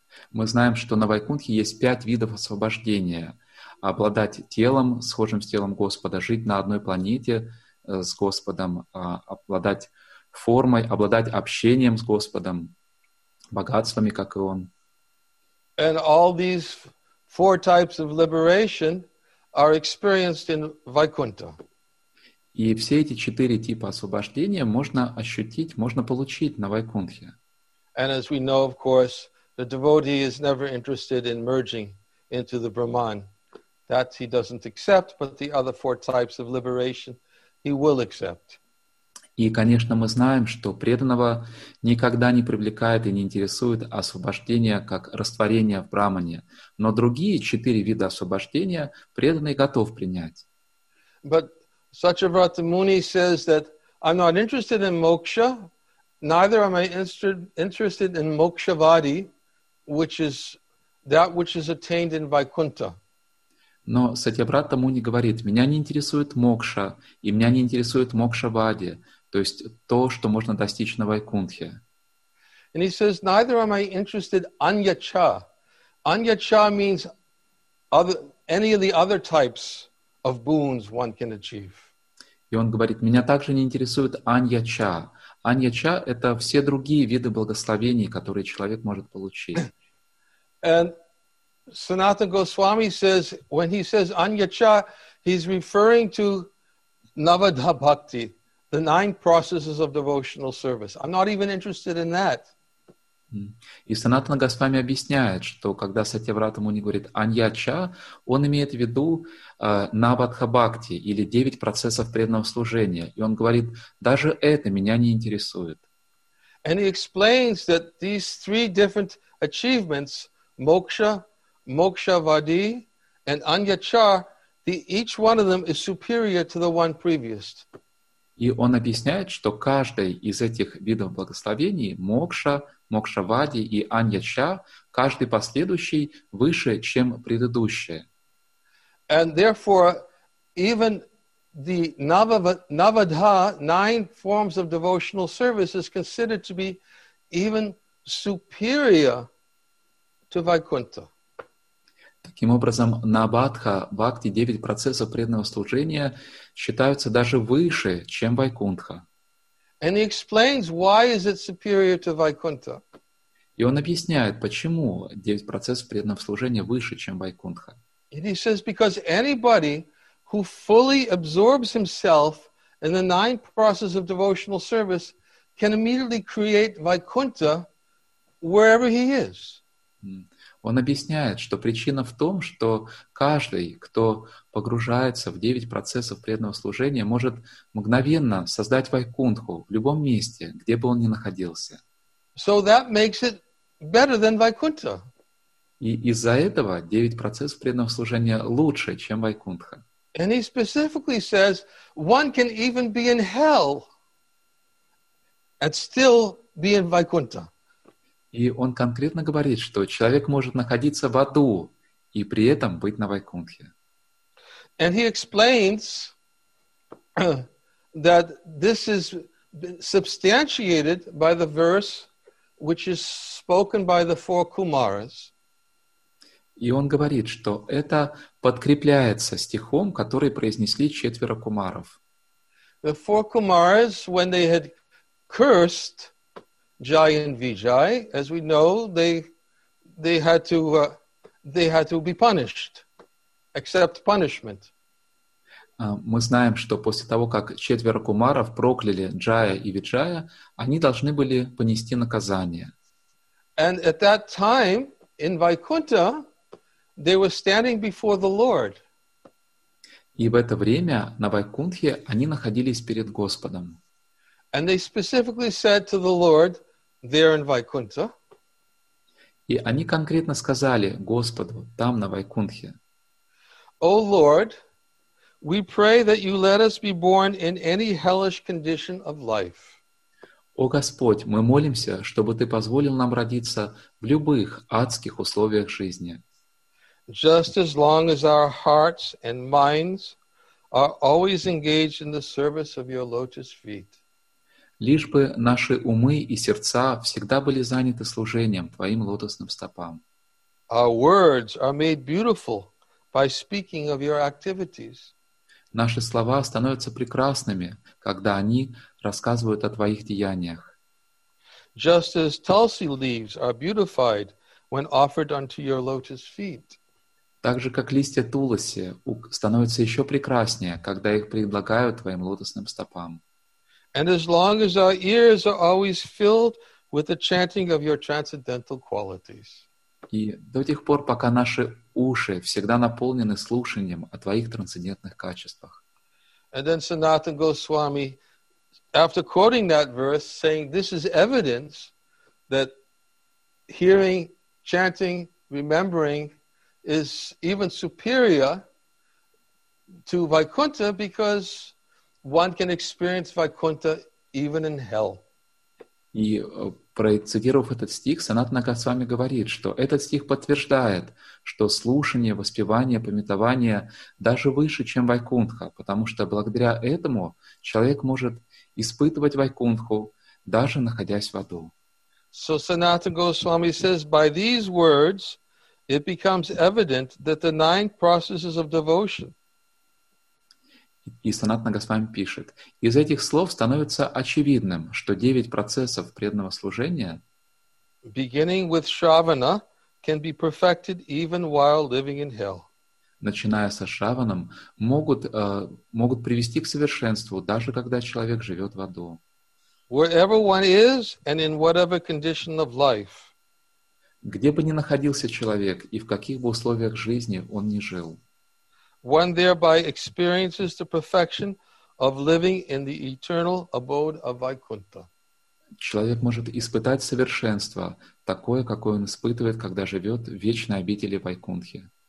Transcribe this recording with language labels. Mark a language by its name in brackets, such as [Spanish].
[Russian] Мы знаем, что на Вайкунтхе есть пять видов освобождения. Обладать телом, схожим с телом Господа, жить на одной планете с Господом, обладать формой, обладать общением с Господом, богатствами, как и Он. [English] And all these four types of liberation are experienced in Vaikuntha. [Russian] И все эти четыре типа освобождения можно ощутить, можно получить на Вайкунтхе. [English] And as we know, of course, the devotee is never interested in merging into the Brahman. That he doesn't accept, but the other four types of liberation he will accept. [Russian] И, конечно, мы знаем, что преданного никогда не привлекает и не интересует освобождение как растворение в Брахмане. Но другие четыре вида освобождения преданный готов принять. [English] But Satyavrata Muni says that I'm not interested in moksha, neither am I interested in mokshavadi, which is that which is attained in Vaikuntha. [Russian] Но Сатьябрата Муни говорит, меня не интересует мокша, и меня не интересует мокшавади, то есть то, что можно достичь на Вайкунтхе. [English] And he says, neither am I interested anyacha. Anyacha means other, any of the other types of boons one can achieve. [Russian] И он говорит, меня также не интересует аньяча. Аньяча — это все другие виды благословений, которые человек может получить. [English] And Sanatana Goswami says, when he says Anyacha, he's referring to Navadha Bhakti, the nine processes of devotional service. I'm not even interested in that. [Russian] И Санатана Госвами объясняет, что когда Сатьяврата Муни говорит Аньяча, он имеет в виду Навадха Бхакти, или девять процессов преданного служения. И он говорит, даже это меня не интересует. [English] And he explains that these three different achievements, Moksha, Mokshavadi and Anyachar, each one of them is superior to the one previous. [Russian] И он объясняет, что каждый из этих видов благословений, Мокша, Мокшавади и Аньяча, каждый последующий выше, чем предыдущие. [English] And therefore, even the Navadha, nine forms of devotional service, is considered to be even superior to Vaikuntha. [Russian] Таким образом, Навадха, Бхакти, девять процессов преданного служения считаются даже выше, чем Вайкунтха. [English] And he explains why is it superior to Vaikuntha. [Russian] И он объясняет, почему девять процессов преданного служения выше, чем Вайкунтха. [English] And he says, because anybody who fully absorbs himself in the nine processes of devotional service can immediately create Vaikuntha wherever he is. [Russian] Он объясняет, что причина в том, что каждый, кто погружается в девять процессов преданного служения, может мгновенно создать Вайкунтху в любом месте, где бы он ни находился. [English] So that makes it better than Vaikuntha. [Russian] И из-за этого девять процессов преданного служения лучше, чем Вайкунтха. [English] And he specifically says, one can even be in hell and still be in Vaikuntha. [Russian] И он конкретно говорит, что человек может находиться в аду и при этом быть на Вайкунтхе. [English] And he explains that this is substantiated by the verse which is spoken by the four Kumaras. [Russian] И он говорит, что это подкрепляется стихом, который произнесли четверо кумаров. [English] The four Kumaras, when they had cursed Jai and Vijay, as we know, they had to be punished, accept punishment. [Russian] Мы знаем, что после того, как четверо кумаров прокляли Джая и Виджая, они должны были понести наказание. [English] And at that time in Vaikuntha, they were standing before the Lord. [Russian] И в это время на Вайкунтхе они находились перед Господом. [English] And they specifically said to the Lord, there in Vaikuntha. [Russian] И они конкретно сказали Господу там на Вайкунтхе. [English] O Lord, we pray that you let us be born in any hellish condition of life. [Russian] О Господь, мы молимся, чтобы ты позволил нам родиться в любых адских условиях жизни. [English] Just as long as our hearts and minds are always engaged in the service of your lotus feet. [Russian] Лишь бы наши умы и сердца всегда были заняты служением Твоим лотосным стопам. [English] Our words are made beautiful by speaking of your activities. [Russian] Наши слова становятся прекрасными, когда они рассказывают о Твоих деяниях. [English] Just as tulsi leaves are beautified when offered unto your lotus feet. [Russian] Так же, как листья туласи становятся еще прекраснее, когда их предлагают Твоим лотосным стопам. [English] And as long as our ears are always filled with the chanting of your transcendental qualities. [Russian] И до тех пор, пока наши уши всегда наполнены слушанием о твоих трансцендентных качествах. [English] And then Sanatana Goswami, after quoting that verse, saying this is evidence that hearing, chanting, remembering is even superior to Vaikuntha because one can experience Vaikuntha even in hell. [Russian] И процитировав этот стих, Санатана Госвами говорит, что этот стих подтверждает, что слушание, воспевание, памятование даже выше, чем Вайкунтха, потому что благодаря этому человек может испытывать Вайкунтху, даже находясь в аду. [English] So Sanatana Goswami says, by these words, it becomes evident that the nine processes of devotion. [Russian] И Санатана Госвами пишет, из этих слов становится очевидным, что девять процессов преданного служения, [English] beginning with Shravana, can be perfected even while living in hell. [Russian] Начиная со Шраваном, могут привести к совершенству, даже когда человек живет в аду. [English] Wherever one is and in whatever condition of life. [Russian] Где бы ни находился человек и в каких бы условиях жизни он ни жил. [English] One thereby experiences the perfection of living in the eternal abode of Vaikuntha. [Russian] Человек может испытать совершенство, такое, какое он испытывает, когда живет в вечной обители Вайкунтхи.